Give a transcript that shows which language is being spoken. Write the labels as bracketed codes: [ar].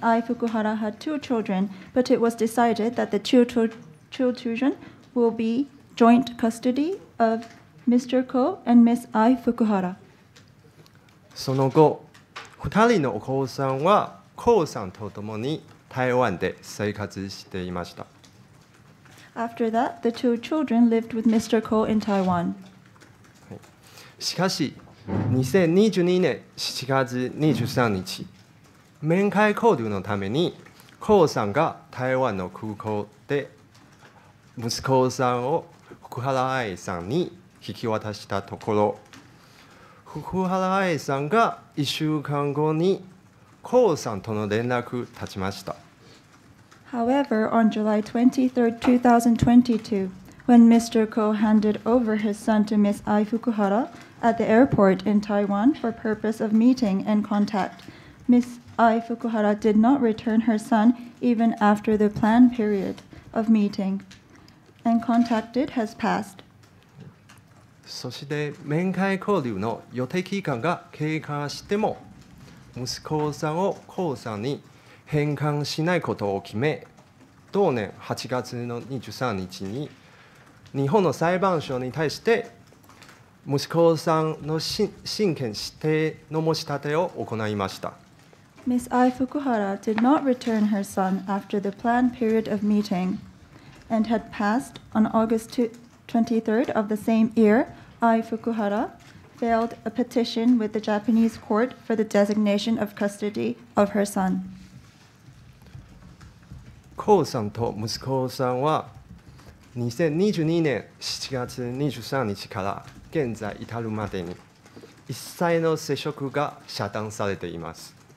[en] Ai Fukuhara had two children, but it was decided that the two children will be joint custody of Mr. Ko and Ms. Ai Fukuhara. [ja] その後、二人のお子さんは、コウさんと共に台湾で生活していました。 [en] After that, the two children lived with Mr. Ko in Taiwan. [ja] しかし、2022年7月23日、面会交流のために、コウさんが台湾の空港で息子さんを福原愛さんに引き渡したところ、福原愛さんが1週間後にコウさんとの連絡を絶ちました。 [en] However, on July 23rd, 2022, when Mr. Ko handed over his son to Ms. Ai Fukuhara at the airport in Taiwan for purpose of meeting and contact. Ms. Ai Fukuhara did not return her son even after the planned period of meeting, and contact did has passed. [ja] そして面会交流の予定期間が経過しても息子さんを江さんに返還しないことを決め、同年8月の23日に日本の裁判所に対して息子さんの親権指定の申し立てを行いました。 [en] Ms. Ai Fukuhara did not return her son after the planned period of meeting and had passed on August 23rd of the same year. Ai Fukuhara filed a petition with the Japanese court for the designation of custody of her son. [ja] Ko さんと息子さんは2022年7月23日から現在至るまでに一切の接触が遮断されています。